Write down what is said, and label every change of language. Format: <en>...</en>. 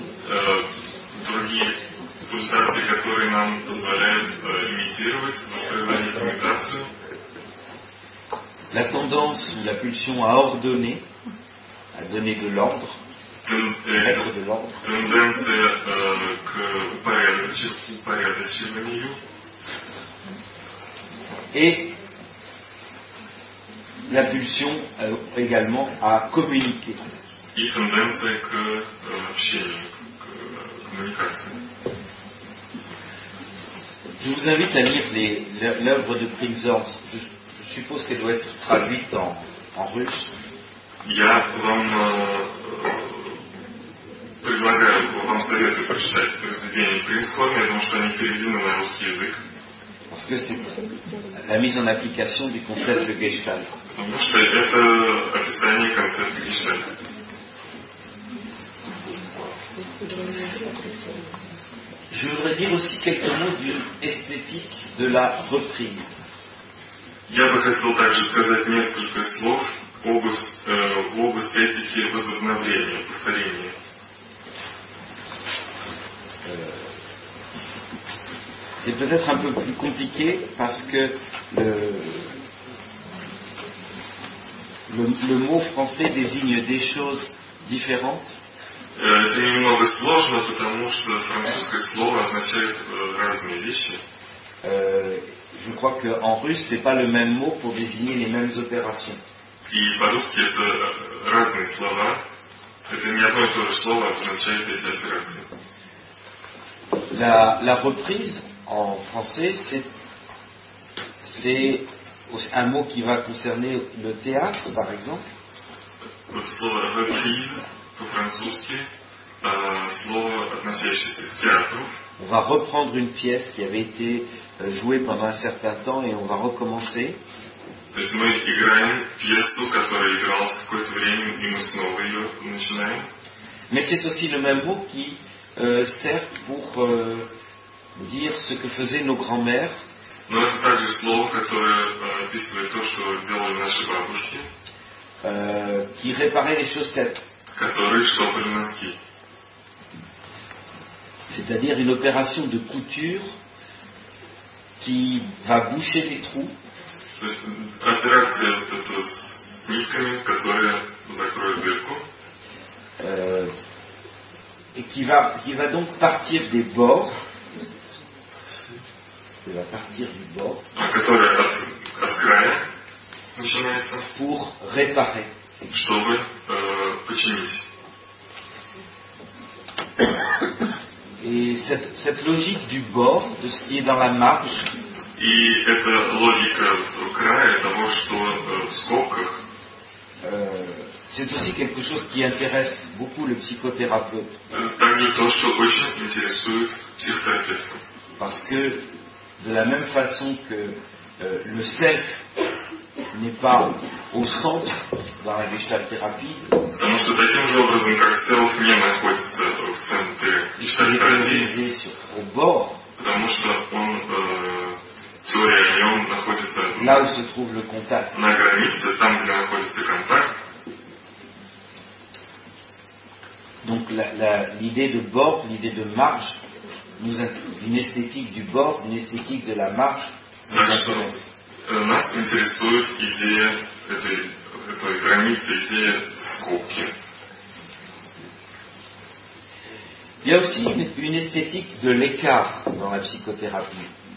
<fr>et</fr> <ru>другие пульсации, которые нам позволяют имитировать, воспроизводить имитацию.</ru> <fr>La tendance, la pulsion à ordonner, à donner de l'ordre, mettre de l'ordre.</fr> <ru>Тенденция к упорядочиванию.</ru> <fr>Et la pulsion également à communiquer.</fr> <ru>И тенденция к общению, к коммуникации.</ru> <fr>Je vous invite à lire l'œuvre de Prinzhorn. Je suppose qu'elle doit être traduite en russe.</fr> <ru>Я вам предлагаю, вам советую прочитать произведение Prinzhorn, я думаю, что они переведены на русский язык.</ru> <fr>Parce que c'est la mise en application du concept de Gestalt.</fr> <ru>Потому что это описание концепта Гештальта.</ru> <fr>Je voudrais dire aussi quelques mots d'une esthétique de la reprise.</fr> <ru>Я бы хотел также сказать несколько слов об эстетике возобновления, повторения.</ru> <fr>C'est peut-être un peu plus compliqué parce que le mot français désigne des choses différentes.</fr> <ru>Это немного сложно, потому что французское слово означает разные вещи.</ru> <fr>Je crois que en russe c'est pas le même mot pour désigner les mêmes opérations.</fr> <ru>И по-русски это разные слова. Это не одно и то же слово означает эти операции.</ru> <fr>La reprise en français c'est un mot qui va concerner le théâtre par exemple. Le</fr> <ru>слово reprise по-французски слово, относящееся к театру.</ru> <fr>On va reprendre une pièce qui avait été jouée pendant un certain temps et on va recommencer.</fr> <ru>То есть мы играем пьесу, которая игралась какое-то время, и мы снова ее начинаем.</ru> <fr>Mais c'est aussi le même mot qui sert pour dire ce que faisaient nos grands-mères.</fr> <ru>Но это также слово, которое описывает то, что делали наши бабушки.</ru> <fr>Qui réparait les chaussettes.</fr> <ru>Которые штопали носки.</ru> <fr>C'est-à-dire une opération de couture qui va boucher les trous.</fr> <ru>Опération вот эта с нитками, которая закроет дырку.</ru> <fr>Et qui va donc partir des bords. Elle va partir du bord.</fr> <ru>А которая от края начинается.</ru> <fr>Pour réparer.</fr> <ru>Чтобы починить.</ru> <fr>Et cette logique du bord, de ce qui est dans la marge.</fr> <ru>И эта логика края того, что в скобках.</ru> <fr>C'est aussi quelque chose qui intéresse beaucoup le psychothérapeute.</fr> <ru>Также то, что очень интересует психотерапевта.</ru> <fr>Parce que de la même façon que le self n'est pas au centre dans la Gestalt-thérapie.</fr> <ru>Потому что таким же образом, как self не находится в центре Gestalt-терапии, потому что он, теория о нем находится</ru> <fr>là où se trouve le contact.</fr> <ru>На границе, там, где находится контакт.</ru> <fr>Donc l'idée de bord, l'idée de marge, nous d'une esthétique du bord, d'une esthétique de la marche.</fr> <ru>Нас интересует идея этой границы, идея скобки.</ru> <fr>Il y a aussi une esthétique de l'écart dans la psychothérapie.</fr>